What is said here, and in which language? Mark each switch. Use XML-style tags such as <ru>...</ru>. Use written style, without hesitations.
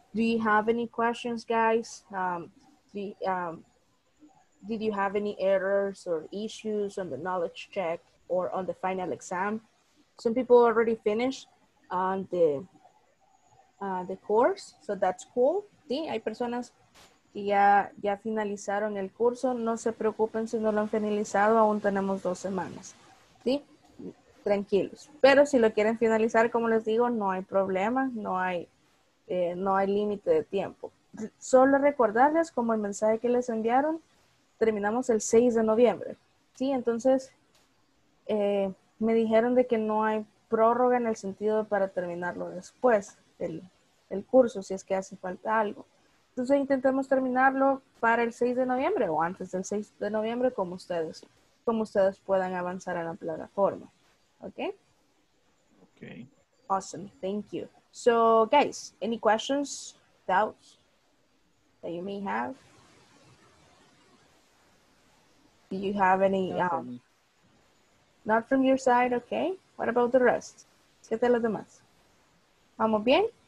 <en>Do you have any questions, guys? Did you have any errors or issues on the knowledge check or on the final exam? Some people already finished on the course, so that's cool.</en> <es>Sí, hay personas que ya finalizaron el curso. No se preocupen si no lo han finalizado. Aún tenemos 2 semanas. Sí, tranquilos. Pero si lo quieren finalizar, como les digo, no hay problema. No hay límite de tiempo. Solo recordarles como el mensaje que les enviaron. Terminamos el 6 de noviembre, ¿sí? Entonces, me dijeron de que no hay prórroga en el sentido para terminarlo después del curso, si es que hace falta algo. Entonces, intentemos terminarlo para el 6 de noviembre o antes del 6 de noviembre, como ustedes puedan avanzar a la plataforma, ¿ok? Ok.</es> <en>Awesome, thank you. So, guys, any questions, doubts that you may have? Do you have any? Not from your side, okay. What about the rest?</en> <es>¿Qué tal los demás? ¿Vamos bien?</es>